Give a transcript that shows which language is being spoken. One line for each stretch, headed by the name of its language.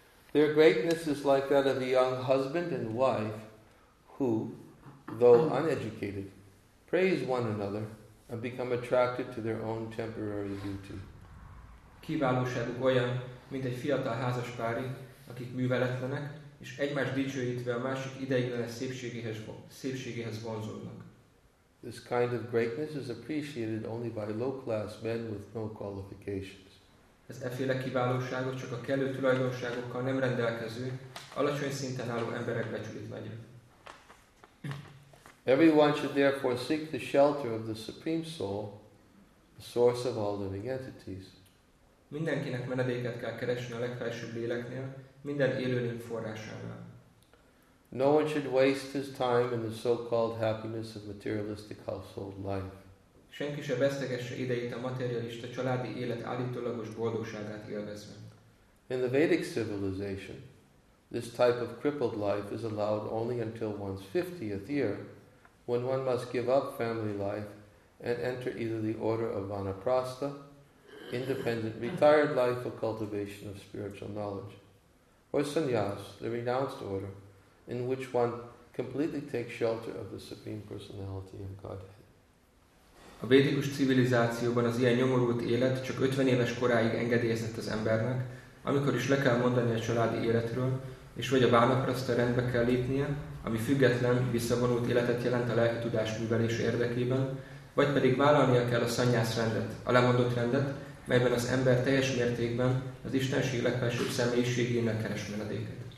English: Their greatness is like that of a young husband and wife, who, though uneducated, praise one another and become attracted to their own temporary beauty.
Hungarian: Kiválóságuk olyan, mint egy fiatal házaspári, akik műveletlenek, és egymás dicsőítve a másik ideiglenes szépségéhez vonzódnak.
English: This kind of greatness is appreciated only by low-class men with no qualifications.
Hungarian: Ez efféle kiválóságot csak a kellő tulajdonságokkal nem rendelkező, alacsony szinten álló emberek becsülik meg.
English: Everyone should therefore seek the shelter of the Supreme Soul, the source of all living entities.
Hungarian: Mindenkinek menedéket kell keresni a legfelsőbb léleknél, minden élőlény forrásánál.
English: No one should waste his time in the so-called happiness of materialistic household life.
Hungarian: Senki se vesztegesse idejét a materialista családi élet állítólagos boldogságát élvezve.
English: In the Vedic civilization, this type of crippled life is allowed only until one's 50th year, when one must give up family life and enter either the order of Vanaprastha, independent retired life for cultivation of spiritual knowledge, or sannyas, the renounced order, in which one completely takes shelter of the Supreme Personality of Godhead.
Hungarian: A védikus civilizációban az ilyen nyomorult élet csak 50 éves koráig engedélyezett az embernek, amikor is le kell mondani a családi életről, és vagy a Vanaprastha rendbe kell lépnie, ami független, visszavonult életet jelent a lelki tudás művelés érdekében, vagy pedig vállalnia kell a szannyász rendet, a lemondott rendet, melyben az ember teljes mértékben az Istenség legfelsőbb személyiségének keres menedéket.